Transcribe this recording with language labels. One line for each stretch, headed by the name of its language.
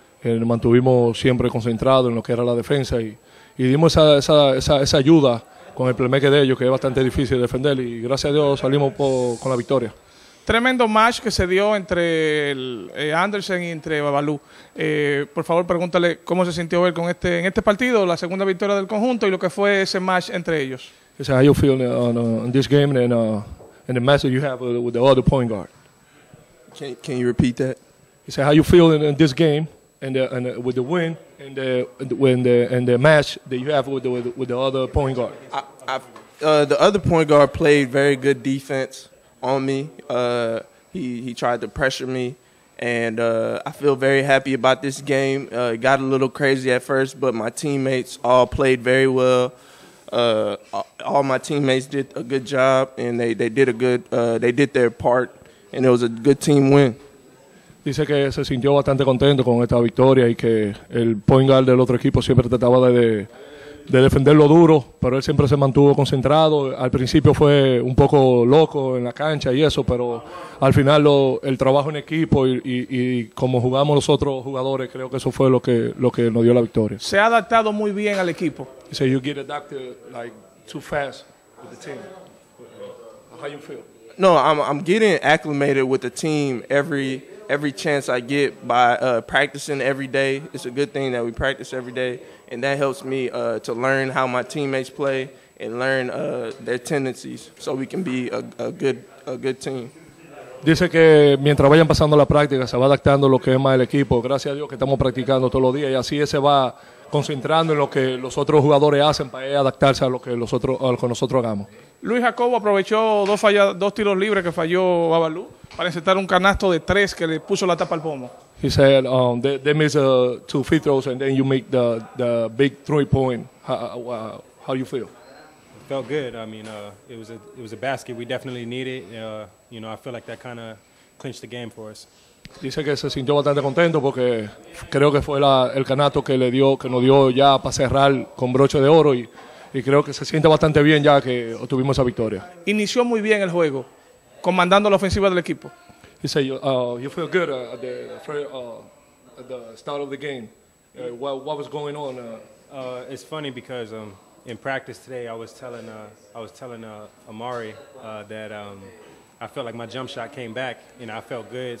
Spanish: Nos mantuvimos siempre concentrados en lo que era la defensa y dimos esa ayuda con el playmaker de ellos, que es bastante difícil de defender. Y gracias a Dios salimos con la victoria. Tremendo match que se dio entre Andersen y entre Babalú. Por favor, pregúntale cómo se sintió él con en este partido, la segunda victoria del conjunto y lo que fue ese match entre ellos.
English: Es how you feel in this game and in the match that you have with the other point guard. Can you repeat that? Es how you feel in this game and with the win and the match that you have with the other point guard. The other point guard played very good defense on me. He tried to pressure me, and I feel very happy about this game. It got a little crazy at first, but my teammates all played very well. All my teammates did a good job, and they did a good they did their part, and it was a good team win.
Spanish: Dice que se sintió bastante contento con esta victoria y que el point guard del otro equipo siempre trataba de defenderlo duro, pero él siempre se mantuvo concentrado. Al principio fue un poco loco en la cancha y eso, pero al final el trabajo en equipo y como jugamos los otros jugadores, creo que eso fue lo que nos dio la victoria. Se ha adaptado muy bien al equipo.
English: He said, you get adapted like too fast with the team. How you feel? No, I'm getting acclimated with the team every chance I get by practicing every day. It's a good thing that we practice every day, and that helps me to learn how my teammates play and learn their tendencies so we can be a good team.
Spanish: Dice que mientras vayan pasando la práctica se va adaptando lo que es más el equipo. Gracias a Dios que estamos practicando todos los días y así se va concentrando en lo que los otros jugadores hacen para adaptarse a lo que nosotros hagamos. Luis Jacobo aprovechó dos tiros libres que falló Babalú para insertar un canasto de tres que le puso la tapa al pomo.
English: He said they missed two free throws and then you make the big 3-point. How do you feel? Felt good. I mean, it was a basket we definitely needed. You know, I feel like that kind of clinched the game for us.
Spanish: Dice que se sintió bastante contento porque creo que fue el canasto que nos dio ya para cerrar con broche de oro y creo que se siente bastante bien ya que obtuvimos esa victoria. Inició muy bien el juego, comandando la ofensiva del equipo.
English: He said, you feel good at the start of the game. What was going on? It's funny because in practice today, I was telling Amaury that I felt like my jump shot came back and I felt good.